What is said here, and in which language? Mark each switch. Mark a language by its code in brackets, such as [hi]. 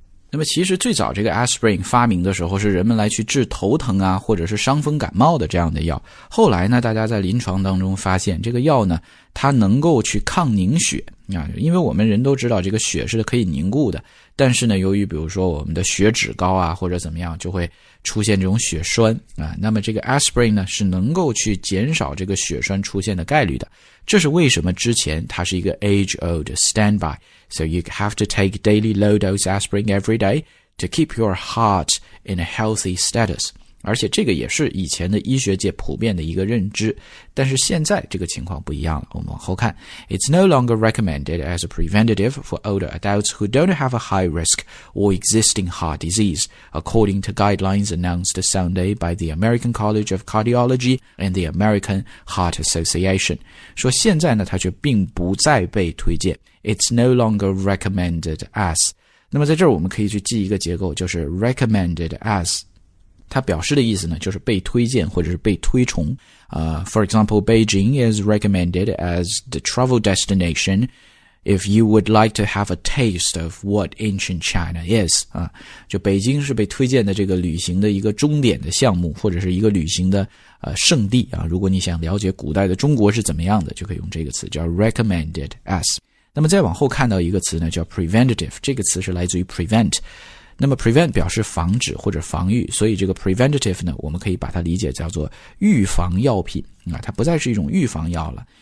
[zh] 那么其实最早这个 aspirin 发明的时候是人们来去治头疼啊或者是伤风感冒的这样的药，后来呢大家在临床当中发现这个药呢它能够去抗凝血啊，因为我们人都知道这个血是可以凝固的，但是呢由于比如说我们的血脂高啊或者怎么样就会出现这种血栓啊，那么这个 aspirin 呢是能够去减少这个血栓出现的概率的，这是为什么之前它是一个 [en] age old standby。 So you have to take daily low dose aspirin every day to keep your heart in a healthy status. [zh] 而且这个也是以前的医学界普遍的一个认知，但是现在这个情况不一样了，我们往后看。 [en] It's no longer recommended as a preventative for older adults who don't have a high risk or existing heart disease, according to guidelines announced Sunday by the American College of Cardiology and the American Heart Association. [zh] 说现在呢，它却并不再被推荐。 [en] It's no longer recommended as. [zh] 那么在这儿我们可以去记一个结构，就是 recommended as. 它表示的意思呢，就是被推荐或者是被推崇。 [en] For example, Beijing is recommended as the travel destination if you would like to have a taste of what ancient China is. [zh] 就北京是被推荐的这个旅行的一个终点的项目，或者是一个旅行的圣地啊。如果你想了解古代的中国是怎么样的，就可以用这个词叫 recommended as。那么再往后看到一个词呢叫 preventative， 这个词是来自于 prevent， 那么 prevent 表示防止或者防御，所以这个 preventative 呢我们可以把它理解叫做预防药品啊，它不再是一种预防药了。